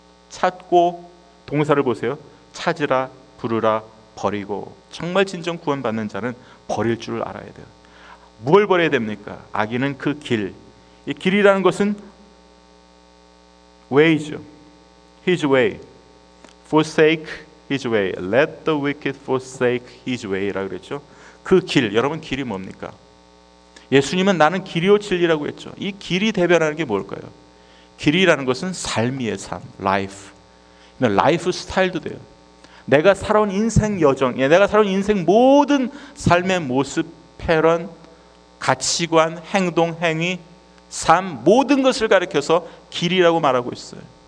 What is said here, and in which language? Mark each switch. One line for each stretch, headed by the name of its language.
Korean: 찾고, 동사를 보세요. 찾으라, 부르라, 버리고. 정말 진정 구원받는 자는 버릴 줄 알아야 돼요. 뭘 버려야 됩니까? 악인은 그 길. 이 길이라는 것은 way죠.
English: His way. Forsake his way. Let the wicked forsake his way라고
Korean: 그랬죠. 그 길, 여러분 길이 뭡니까? 예수님은 나는 길이요 진리라고 했죠. 이 길이 대변하는 게 뭘까요? 길이라는 것은 삶이에요. 삶, life. 라이프 스타일도 돼요. 내가 살아온 인생 여정, 내가 살아온 인생 모든 삶의 모습, 패런, 가치관, 행동, 행위, 삶, 모든 것을 가리켜서 길이라고 말하고 있어요.